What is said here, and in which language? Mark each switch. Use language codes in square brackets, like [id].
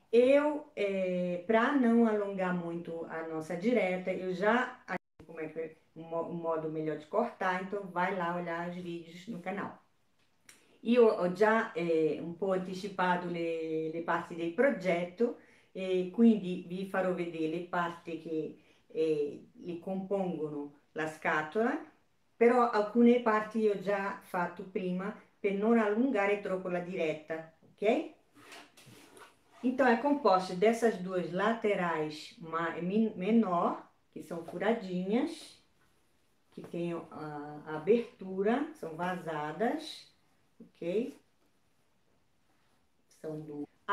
[pt] Eu, para não alongar muito a nossa direta, eu já achei como é um modo melhor de cortar, então vai lá olhar os vídeos no canal. E eu já, [it] um po' anticipato le parti del progetto, e quindi vi farò vedere le parti che le compongono la scatola, però alcune parti io ho già fatto prima per non allungare troppo la diretta, ok? [pt] Então, é composto dessas duas laterais menor, que são furadinhas, que tem a abertura, são vazadas, ok? São duas.